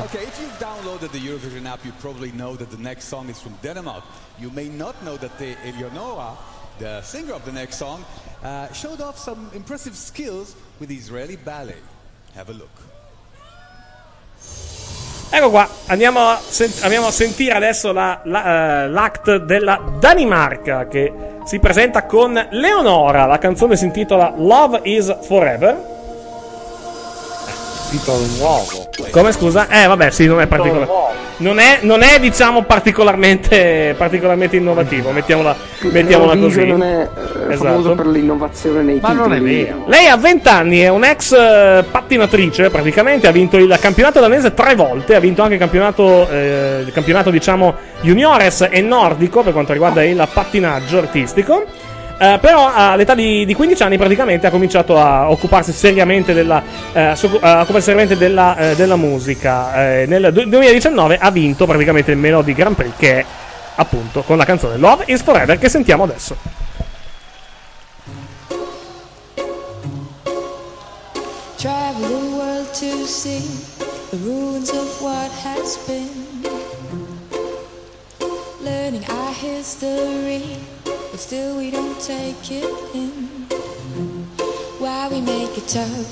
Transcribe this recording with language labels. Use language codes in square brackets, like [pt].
[en] Ok, if you've downloaded the Eurovision app, you probably know that the next song is from Denmark. You may not know that the Eleonora, the singer of the next song, showed off some impressive skills with Israeli ballet. Have a look. [it] Ecco qua, andiamo a sentire adesso l'act della Danimarca, che si presenta con Leonora. La canzone si intitola Love is Forever. Come, scusa? Vabbè, sì, non è particolare. Non è diciamo particolarmente innovativo. Mettiamola così. Non è esatto. Famoso per l'innovazione nei ma titoli. Non è vero. Lei ha 20 anni, è un'ex pattinatrice, praticamente ha vinto il campionato danese 3 volte, ha vinto anche il campionato diciamo juniores e nordico per quanto riguarda il pattinaggio artistico. Però all'età di 15 anni praticamente ha cominciato a occuparsi seriamente della musica. Nel 2019 ha vinto praticamente il Melody Grand Prix, che è appunto con la canzone Love is Forever, che sentiamo adesso. [en] Travel the world to see the ruins of what has been, learning our history. But still we don't take it in. Why we make it tough?